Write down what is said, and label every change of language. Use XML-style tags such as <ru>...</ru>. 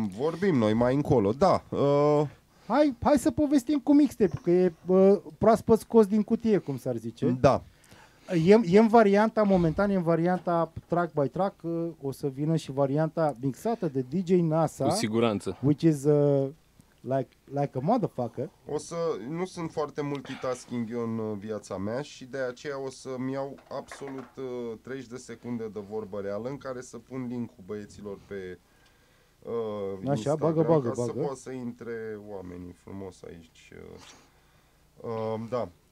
<ro>Vorbim noi mai încolo, da. Hai să povestim cu mixtape, că e proaspăt scos din cutie, cum s-ar zice. Da. E în varianta momentan, e în varianta track by track, o să vină și varianta mixată de DJ NASA. Cu siguranță.</ro> <en>Which is like a motherfucker.</en> <ro>O să, nu sunt foarte multitasking eu în viața mea și de aceea o să-mi iau absolut 30 de secunde de vorbă reală în care să pun link-ul băieților pe Instagram. Așa, bagă. Să poată să intre oamenii frumos aici. Da.</ro>